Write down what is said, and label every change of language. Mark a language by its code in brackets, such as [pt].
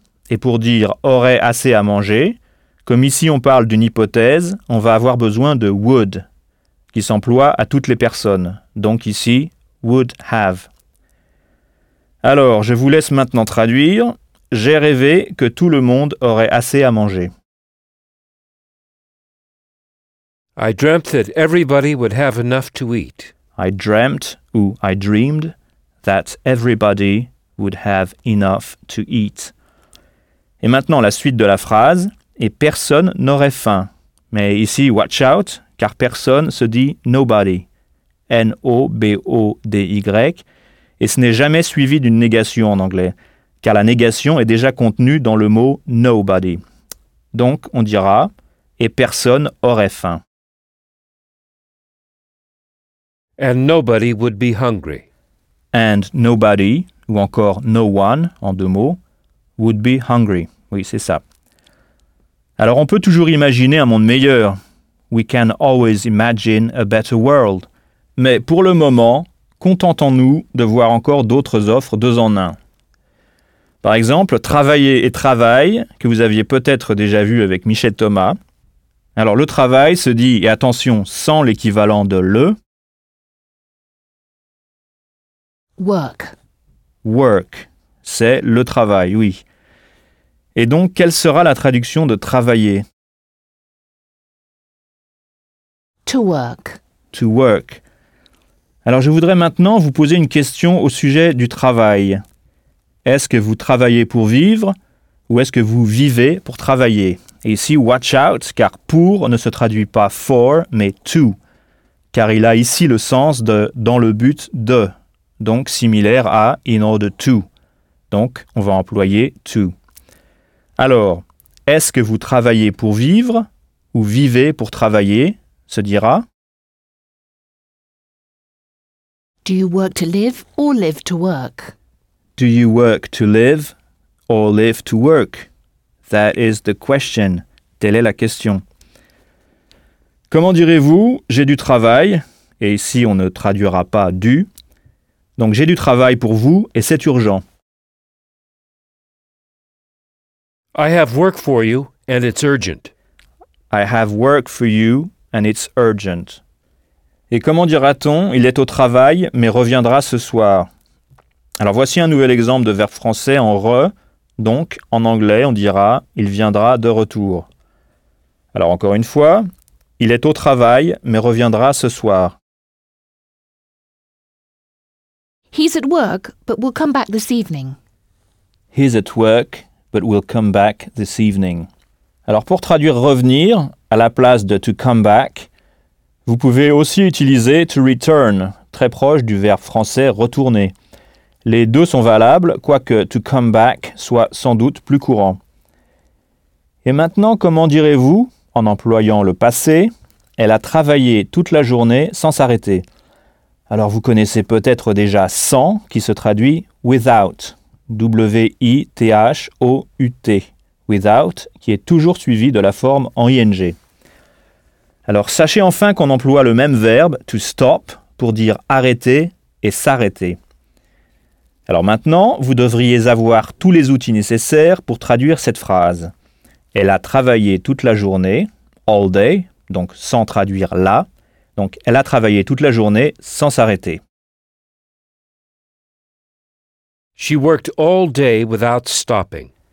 [fr] Et pour dire aurait assez à manger, comme ici on parle d'une hypothèse, on va avoir besoin de would, qui s'emploie à toutes les personnes. Donc ici, [en] would have. [fr] Alors, je vous laisse maintenant traduire. J'ai rêvé que tout le monde aurait assez à manger. [en] I dreamt that everybody would have enough to eat. I dreamt, [fr] ou [en] I dreamed, that everybody would have enough to eat. [fr] Et maintenant, la suite de la phrase. Et personne n'aurait faim. Mais ici, [en] watch out, [fr] car personne se dit nobody. Nobody. Et ce n'est jamais suivi d'une négation en anglais, car la négation est déjà contenue dans le mot nobody. Donc, on dira, et personne aurait faim. [en] And nobody would be hungry. And nobody, [fr] ou encore [en] no one, [fr] en 2 mots, [en] would be hungry. [fr] Oui, c'est ça. Alors, on peut toujours imaginer un monde meilleur. [en] We can always imagine a better world. [fr] Mais pour le moment, contentons-nous de voir encore d'autres offres 2 en 1. Par exemple, travailler et travail, que vous aviez peut-être déjà vu avec Michel Thomas. Alors, le travail se dit, et attention, sans l'équivalent de le. [en] Work. [fr] Work, c'est le travail, oui. Et donc, quelle sera la traduction de travailler? [en] To work. To work. [fr] Alors, je voudrais maintenant vous poser une question au sujet du travail. Est-ce que vous travaillez pour vivre ou est-ce que vous vivez pour travailler? Et ici, [en] watch out, [fr] car pour ne se traduit pas for, mais to, car il a ici le sens de dans le but de. Donc, similaire à [en] in order to. [fr] Donc, on va employer to. Alors, est-ce que vous travaillez pour vivre ou vivez pour travailler, se dira? [en] Do you work to live or live to work? Do you work to live or live to work? That is the question. [fr] Telle est la question. Comment direz-vous, j'ai du travail, et ici on ne traduira pas du. Donc, j'ai du travail pour vous et c'est urgent. [en] I have work for you and it's urgent. I have work for you and it's urgent. [fr] Et comment dira-t-on, il est au travail mais reviendra ce soir? Alors, voici un nouvel exemple de verbe français en re. Donc, en anglais, on dira, il viendra de retour. Alors, encore une fois, il est au travail mais reviendra ce soir. [en] He's at work, but will come back this evening. He's at work, but will come back this evening. [fr] Alors, pour traduire revenir à la place de [en] to come back, [fr] vous pouvez aussi utiliser [en] to return, [fr] très proche du verbe français retourner. Les deux sont valables, quoique [en] to come back [fr] soit sans doute plus courant. Et maintenant, comment direz-vous, en employant le passé, elle a travaillé toute la journée sans s'arrêter? Alors, vous connaissez peut-être déjà sans, qui se traduit without, without, without, qui est toujours suivi de la forme en ing. Alors, sachez enfin qu'on emploie le même verbe [en] to stop [fr] pour dire arrêter et s'arrêter. Alors maintenant, vous devriez avoir tous les outils nécessaires pour traduire cette phrase. Elle a travaillé toute la journée, [en] all day, [fr] donc sans traduire la. Donc, elle a travaillé toute la journée sans s'arrêter. [en] She worked all day without stopping.